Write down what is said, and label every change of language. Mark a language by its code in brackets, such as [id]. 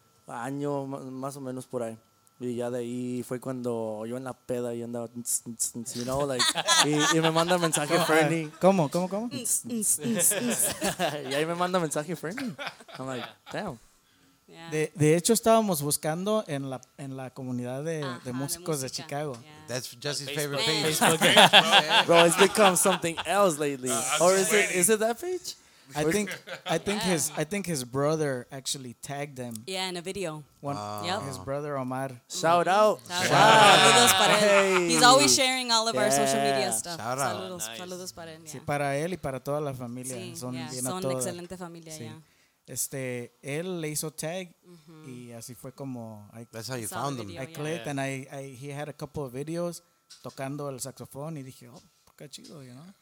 [es] Año más o menos por ahí. Y ya de ahí fue cuando yo en la peda y andaba, you know, like, y me manda mensaje Fernie. ¿Cómo? Y ahí me manda mensaje Fernie. [en] I'm like, damn. [es] De hecho, estábamos buscando en la comunidad de músicos de Chicago. [en] Yeah. That's Jesse's favorite page. Facebook page, bro. Bro, it's become something else lately. Or is it that page? I think his brother actually tagged them. Yeah, in a video. Yep. His brother Omar. Shout out. [es] Saludos para él. [en] He's always sharing all of our social media stuff. Shout out. [es] Saludos, nice. Saludos para él. Yeah. Sí, para él y para toda la familia. Sí, son bien son a toda. Excelente familia. Sí. Yeah. Él le hizo tag y así fue como. [en] That's how you found him. I clicked and he had a couple of videos [es] tocando el saxofón y dije, oh, qué chido, [en] you know.